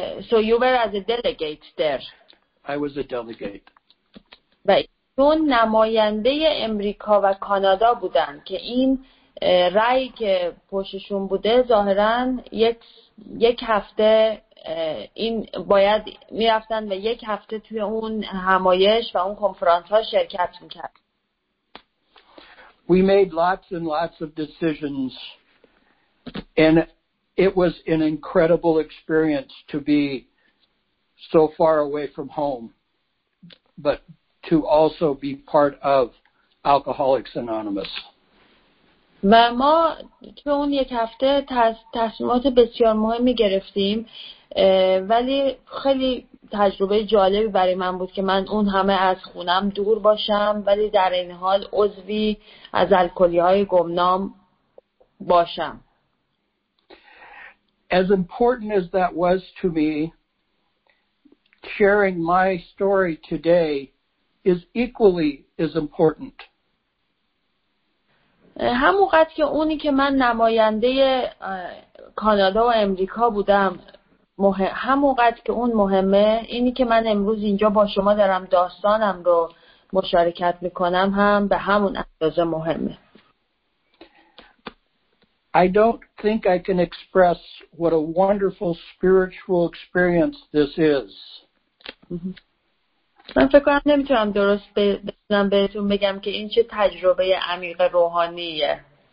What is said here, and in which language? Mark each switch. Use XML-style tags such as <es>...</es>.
<en>So you were as a delegate there. I was a delegate.</en> <fa>و ایشون نماینده امریکا و کانادا بودن که این رأی که پشتشون بوده ظاهراً یک هفته این باید می‌رفتن و یک هفته توی اون همایش و اون کنفرانس‌ها شرکت می‌کرد.</fa> <en>We made lots and lots of decisions and it was an incredible experience to be so far away from home but to also be part of Alcoholics Anonymous.</en> <fa>و ما تو اون یک هفته تصمیمات بسیار مهمی گرفتیم ولی خیلی تجربه جالبی برای من بود که من اون همه از خونم دور باشم ولی در این حال عضوی از الکلی‌های گمنام باشم.</fa> <en>As important as that was to me, sharing my story today is equally as important.</en> <fa>همونقدر که اونی که من نماینده کانادا و امریکا بودم همونقدر که اون مهمه اینی که من امروز اینجا با شما دارم داستانم رو مشارکت میکنم هم به همون اندازه مهمه.</fa> <en>I don't think I can express what a wonderful spiritual experience this is.</en> <fa>من فکر کنم نمیتونم درست بزنم بهتون بگم که این چه تجربه عمیق روحانیه.</fa>